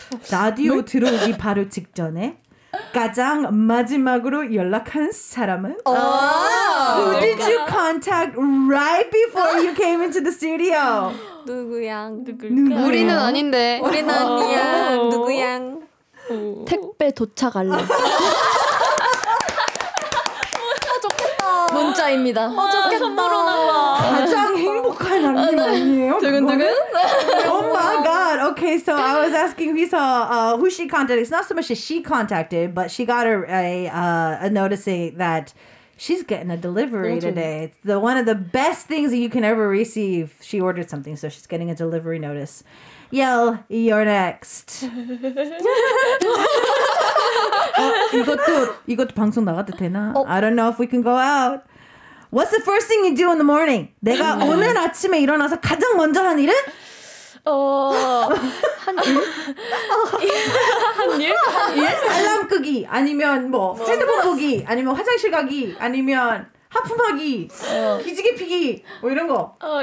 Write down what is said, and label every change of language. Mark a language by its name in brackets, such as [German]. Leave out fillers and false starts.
[Korean] 라디오 들어오기 바로 직전에. 가장 마지막으로 연락한 사람은? [English] Oh, who did you contact right before you came into the studio? [Korean] 누구양? 누굴까? 우리는 아닌데. 우리는 아니양. 누구양? 택배 도착할래. 문자입니다. 좋겠다. 가장 행복한 날님 아니에요? 두근두근? [English] Oh my god. Okay, so I was asking Lisa, who she contacted. It's not so much that she contacted, but she got a noticing that she's getting a delivery today. It's one of the best things that you can ever receive. She ordered something, so she's getting a delivery notice. Yell, you're next. [Korean] 이것도 방송 나가도 되나? [English] I don't know if we can go out. What's the first thing you do in the morning? [Korean] 내가 오늘 아침에 일어나서 가장 먼저 한 일은? 한 일? 알람 끄기 아니면 뭐 핸드폰 보기 아니면 화장실 가기 아니면 하품하기 기지개 피기 뭐 이런 거.